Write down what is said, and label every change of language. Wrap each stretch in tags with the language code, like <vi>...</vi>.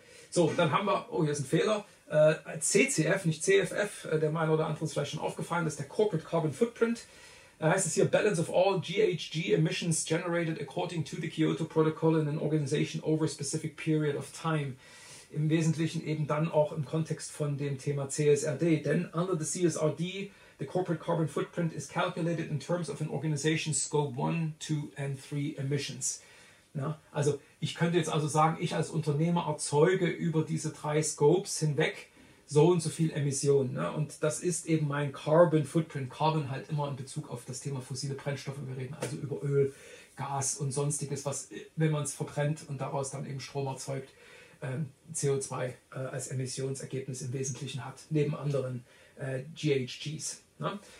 <de>So, dann haben wir, oh, hier ist ein Fehler, CCF, nicht CFF, der mal oder andere ist vielleicht schon aufgefallen, das ist der Corporate Carbon Footprint. Da heißt es hier,</de> <en>Balance of all GHG emissions generated according to the Kyoto Protocol in an organization over a specific period of time.</en> <de>Im Wesentlichen eben dann auch im Kontext von dem Thema CSRD.</de> <en>Denn under the CSRD, the Corporate Carbon Footprint is calculated in terms of an organization's scope 1, 2 and 3 emissions.</en> <de>Ja, also ich könnte jetzt also sagen, ich als Unternehmer erzeuge über diese drei Scopes hinweg so und so viel Emissionen. Ne? Und das ist eben mein Carbon Footprint. Carbon halt immer in Bezug auf das Thema fossile Brennstoffe. Wir reden also über Öl, Gas und sonstiges, was, wenn man es verbrennt und daraus dann eben Strom erzeugt, CO2 als Emissionsergebnis im Wesentlichen hat, neben anderen GHGs. Ne?</de>